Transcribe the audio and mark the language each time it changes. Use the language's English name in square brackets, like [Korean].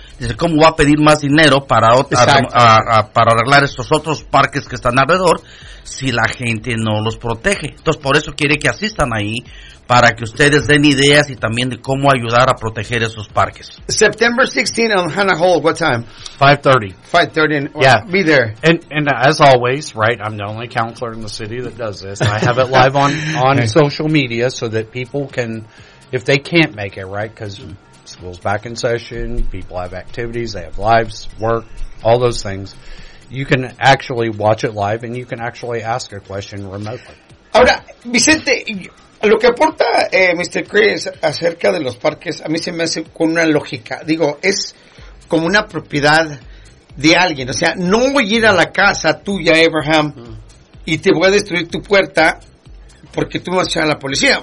[Spanish] Dice, ¿cómo va a pedir más dinero para arreglar esos otros parques que están alrededor si la gente no los protege? Entonces, por eso quiere que asistan ahí, para que ustedes den ideas y también de cómo ayudar a proteger esos parques. [English] September 16th on Hanna Hall, what time? 5:30. Yeah. Be there. And as always, right, I'm the only counselor in the city that does this. I have it live on okay. social media so that people can, if they can't make it, right, because school's back in session, people have activities, they have lives, work, all those things. You can actually watch it live, and you can actually ask a question remotely. [Spanish] Ahora, Vicente, lo que aporta Mr. Chris acerca de los parques, a mí se me hace con una lógica. Digo, es como una propiedad de alguien. O sea, no voy a ir a la casa tuya, Abraham, y te voy a destruir tu puerta porque tú vas a echar a la policía.